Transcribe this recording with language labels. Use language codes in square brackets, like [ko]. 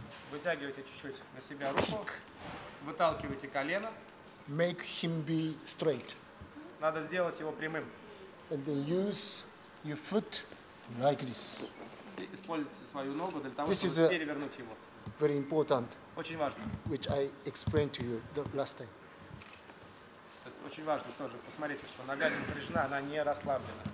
[ru] Вытягивайте чуть-чуть на себя руку. Выталкивайте колено. [en] Make him be straight. [ru] Надо сделать его прямым. [en] And then use your foot like this. [ru] Используйте свою ногу для того, чтобы перевернуть его. [en] Very important. [ru] Очень важно. [en] Which I explained to you the last time. [ru] То есть очень важно тоже посмотреть, что нога напряжена, она не расслаблена.